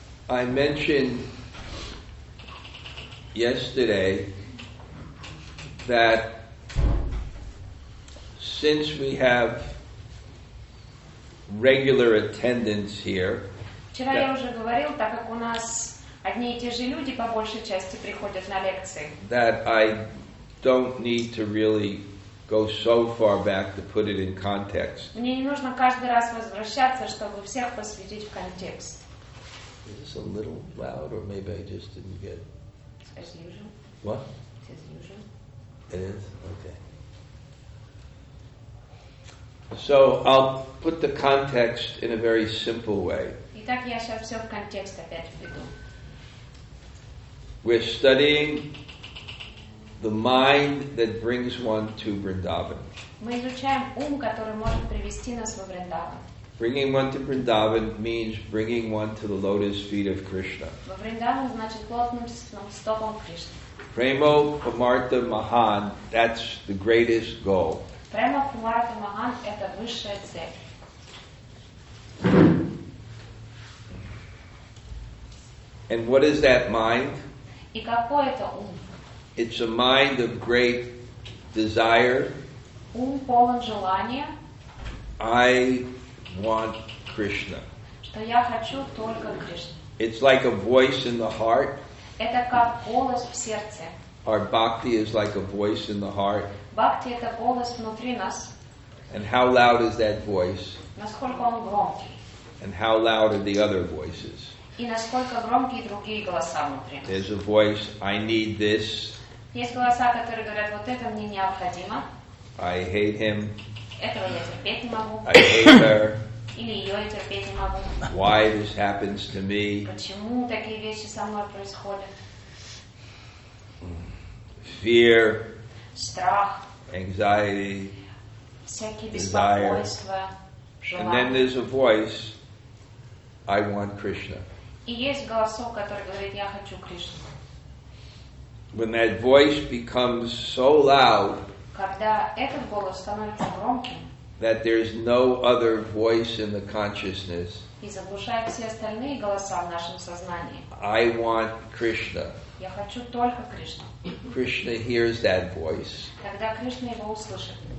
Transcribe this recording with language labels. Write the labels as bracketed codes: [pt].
[en] I mentioned yesterday that since we have regular attendance here. [ru] Вчера я уже говорил, так как у нас одни и те же люди по большей части приходят на лекции. [en] That I don't need to really go so far back to put it in context. [ru] Мне не нужно каждый раз возвращаться, чтобы всех посвятить в контекст. [en] Is this a little loud, or maybe I just didn't get? As usual. What? As usual. It is? Okay. So I'll put the context in a very simple way. [ru] Итак, я сейчас все в контекст опять введу. [en] We're studying the mind that brings one to Vrindavan. [ru] Мы изучаем ум, который может привести нас во Вриндаван. [en] Bringing one to Vrindavan means bringing one to the lotus feet of Krishna. [ru] Во Вриндаван значит лотосным стопам Кришны. [en] Premo Kumartha Mahan, that's the greatest goal. [ru] Према Кумарата Махан – это высшая цель. [en] And what is that mind? [ru] И какой это ум? [en] It's a mind of great desire. [ru] Ум полон желания. [en] I want Krishna. [ru] Что я хочу только Кришну. [en] It's like a voice in the heart. [ru] Это как голос в сердце. [en] Our bhakti is like a voice in the heart. [ru] Бхакти – это голос внутри нас. [en] And how loud is that voice? [ru] Насколько он громкий? [en] And how loud are the other voices? [ru] И насколько громкие другие голоса внутри? [en] There's a voice, I need this. [ru] Есть голоса, которые говорят, вот это мне необходимо. [en] I hate him. [ru] Этого я терпеть не могу. [en] I hate her. [ru] Или ее я терпеть не могу. [en] Why this happens to me? [ru] Почему такие вещи со мной происходят? [en] Fear. [ru] Страх. [en] Anxiety. [ru] Всякие [en] desire. [ru] Беспокойства. [en] And then there's a voice, I want Krishna. [ru] И есть голосок, который говорит, я хочу Кришну. [en] When that voice becomes so loud, [ru] когда этот голос становится громким, [en] that there's no other voice in the consciousness, [ru] и заглушает все остальные голоса в нашем сознании, [en] I want Krishna. [ru] Я хочу только Кришну. [en] Krishna hears that voice. [ru] Тогда Кришна его услышит.